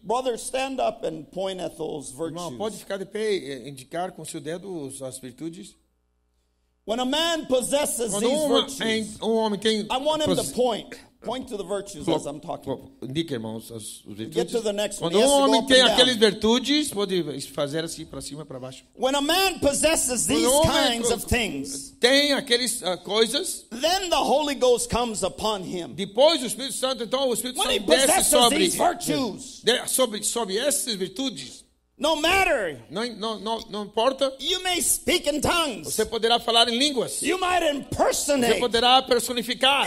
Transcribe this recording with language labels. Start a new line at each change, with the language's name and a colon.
English: brother, stand up and point at those virtues.
Portuguese: Irmão, pode ficar de pé e indicar com seu dedo as virtudes.
English: When a man possesses
Portuguese: quando
English: these virtues,
Portuguese: homem tem,
English: I want him to point to the virtues as I'm talking.
Portuguese: Indique, irmãos, as virtudes.
English: Get to the next one.
Portuguese: Quando homem tem aquelas virtudes, pode fazer assim para cima e para baixo.
English: When a man possesses these kinds of things,
Portuguese: tem aquelas coisas,
English: then the Holy Ghost comes upon him.
Portuguese: Depois o Espírito Santo, então o Espírito Santo desce sobre
English: these virtues,
Portuguese: sobre essas virtudes.
English: No matter.
Portuguese: Não importa.
English: You may speak in tongues.
Portuguese: Você poderá falar em línguas.
English: You might impersonate.
Portuguese: Você poderá personificar.